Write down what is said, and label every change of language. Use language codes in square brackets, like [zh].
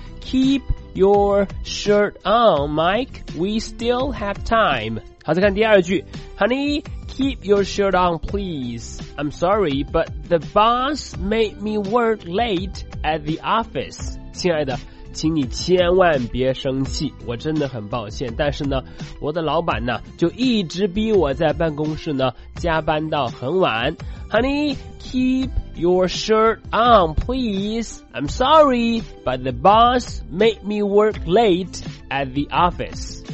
[en] keep your shirt on Mike, we still have time。 [zh] 好，再看第二句， [en] honey, keep your shirt on please, I'm sorry but the boss made me work late at the office。 [zh] 亲爱的，请你千万别生气，我真的很抱歉，但是呢我的老板呢就一直逼我在办公室呢加班到很晚。 [en] Honey, keep your shirt on please, I'm sorry but the boss made me work late at the office。